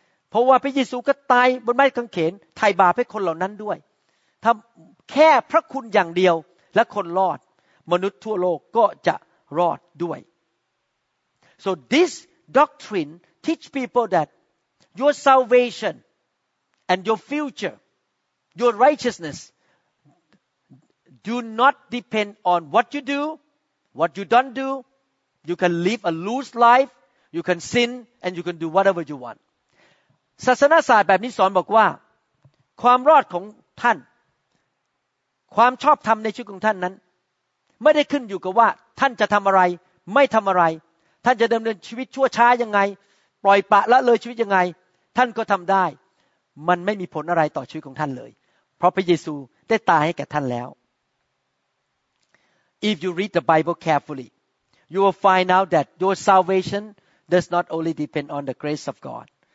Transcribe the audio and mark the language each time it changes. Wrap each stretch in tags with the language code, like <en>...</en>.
<th>เพราะว่าพระเยซูก็ตายบนไม้กางเขนไถ่บาปให้คนเหล่านั้นด้วยถ้าแค่พระคุณอย่างเดียวและคนรอดมนุษย์ทั่วโลกก็จะรอดด้วย</th> <en>So this doctrine teach people that your salvation and your future, your righteousness do not depend on what you do, what you don't do. You can live a loose lifeYou can sin and you can do whatever you want.</en> <th>ศาสนาศาสตร์แบบนี้สอนบอกว่าความรอดของท่านความชอบธรรมในชีวิตของท่านนั้นไม่ได้ขึ้นอยู่กับว่าท่านจะทำอะไรไม่ทำอะไรท่านจะดำเนินชีวิตชั่วช้ายังไงปล่อยปะละเลยชีวิตยังไงท่านก็ทำได้มันไม่มีผลอะไรต่อชีวิตของท่านเลยเพราะพระเยซูได้ตายให้แก่ท่านแล้ว</th> <en>If you read the Bible carefully, you will find out that your salvationdoes not only depend on the grace of God.</en>